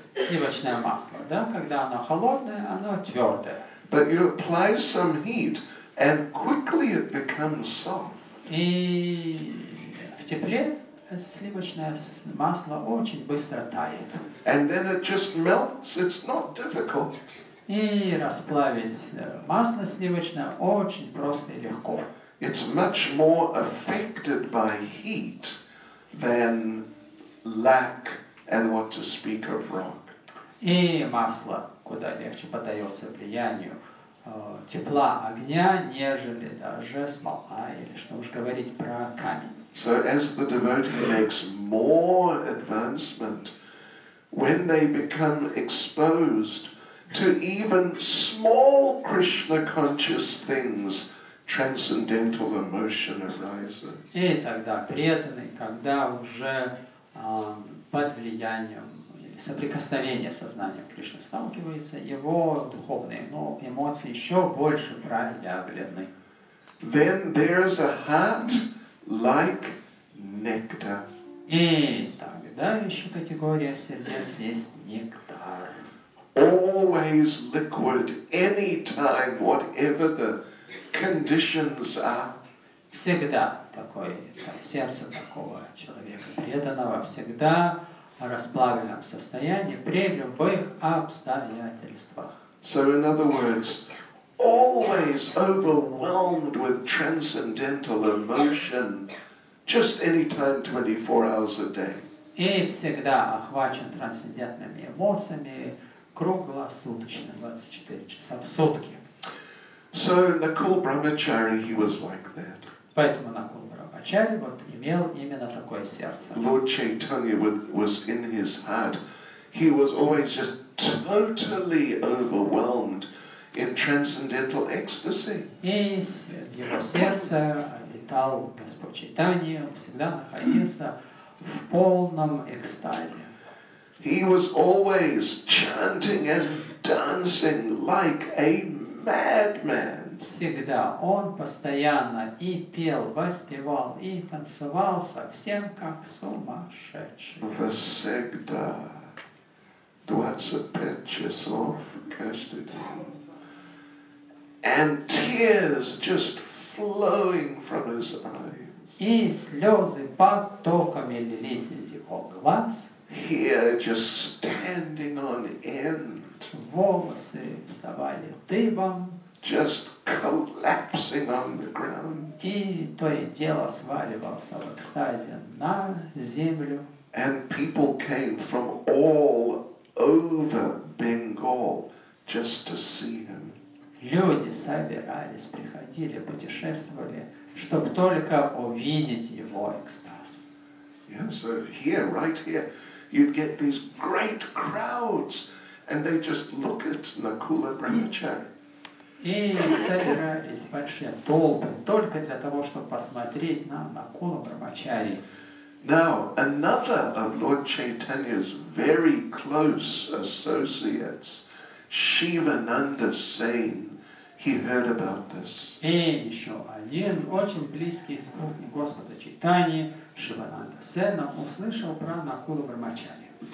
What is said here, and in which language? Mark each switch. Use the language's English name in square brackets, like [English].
[Russian] Сливочное масло, да, когда оно холодное, оно твердое. [English] But you apply some heat and quickly it becomes soft. [Russian] И в тепле сливочное масло очень быстро тает. [English] And then it just melts. It's not difficult. [Russian] И расплавить масло сливочное очень просто и легко. [English] It's much more affected by heat than lack and what to speak of wrong. [Russian] И масло куда легче поддается влиянию тепла огня, нежели даже смола, или что уж говорить про камень. [English] So as the devotee makes more advancement, when they become exposed to even small Krishna conscious things, transcendental emotion arises. [Russian] И тогда преданный, когда уже под влиянием соприкосновение сознания Кришны сталкивается, его духовные эмоции еще больше проявлены. [English] Then there is a heart like nectar. [Russian] И тогда еще категория сердец есть нектар. [English] Always liquid, anytime, whatever the conditions are. [Russian] Всегда такое сердце такого человека преданного всегда расплавленном состоянии при любых обстоятельствах. [English] So in other words, always overwhelmed with transcendental emotion, just anytime, 24 hours a day. [Russian] И всегда охвачен трансцендентными эмоциями круглосуточно, 24 часа в сутки. [English] So Nakul Brahmachari, he was like that. [Russian] Поэтому Nakul Brahmachari вот имел именно такое сердце. [English] Lord Chaitanya was in his heart. He was always just totally overwhelmed in transcendental ecstasy. [Russian] И его сердце обитал Господь Чайтанья, всегда находился в полном экстазе. [English] He was always chanting and dancing like a madman. [Russian] Всегда он постоянно и пел, воспевал, и танцевал совсем как сумасшедший. Всегда 25 часов каждый день. [English] And tears just flowing from his eyes. [Russian] И слезы потоками лились из его глаз. [English] Here just standing on end. [Russian] Волосы вставали дыбом. [English] Just collapsing on the ground. [Russian] И то и дело сваливался в экстазе на землю. [English] And people came from all over Bengal just to see him. [Russian] Люди собирались, приходили, путешествовали, чтобы только увидеть его экстаз. [English] Yeah, so here, right here, you'd get these great crowds, and they just look at Nakula Brahmachari. [Russian] И собирались большие толпы только для того, чтобы посмотреть на Накула Брахмачари. [English] Now another of Lord Chaitanya's very close associates, Shivananda Sen, he heard about this. [Russian] И еще один очень близкий спутник Господа Чайтаньи, Шивананда Сена, услышал про Накула Брахмачари.